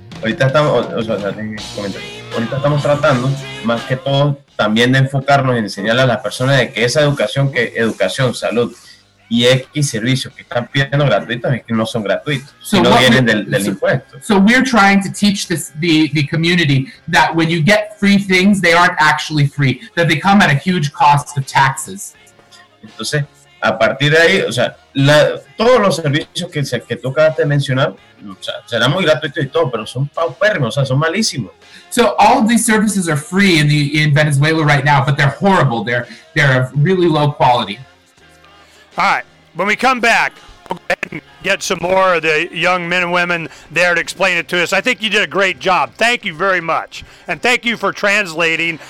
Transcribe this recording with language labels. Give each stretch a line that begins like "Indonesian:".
Spanish: Ahorita estamos tratando, más que todo, también de enfocarnos en enseñarle a las personas de que esa educación, que educación, salud y X servicios que están pidiendo gratuitos es que no son gratuitos, sino vienen del impuesto.
English: So we're trying to teach the community that when you get free things, they aren't actually free, that they come at a huge cost of taxes.
Spanish: Entonces, a partir de ahí, o sea, todos los servicios que tú acabas de mencionar, o sea, serán muy gratuitos y todo, pero son paupérrimos, o sea, son malísimos.
English: So all of these services are free in Venezuela right now, but they're horrible. They're of really low quality. All right. When we come back, we'll go ahead and get some more of the young men and women there to explain it to us. I think you did a great job. Thank you very much. And thank you for translating.